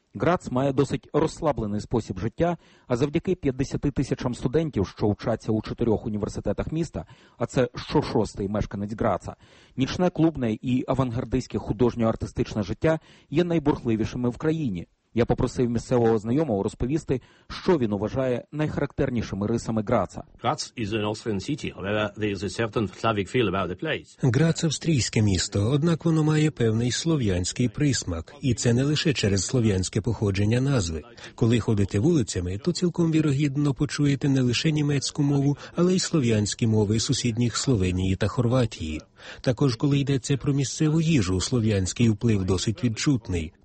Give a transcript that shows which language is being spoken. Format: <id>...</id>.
<uk>Грац має досить розслаблений спосіб життя, а завдяки 50 тисячам студентів, що вчаться у 4 університетах міста, а це щошостий мешканець Граца, нічне клубне і авангардистське художньо-артистичне життя є найбурхливішими в країні. Я попросив місцевого знайомого розповісти, що він вважає найхарактернішими рисами Граца.</uk> <en>Graz is an Austrian city, however there is a certain Slavic feel about the place.</en> <uk>Грац – австрійське місто, однак воно має певний слов'янський присмак, і це не лише через слов'янське походження назви. Коли ходите вулицями, то цілком вірогідно почуєте не лише німецьку мову, але й слов'янські мови сусідніх Словенії та Хорватії. Також, коли йдеться про місцеву їжу, слов'янський вплив досить відчутний.</uk>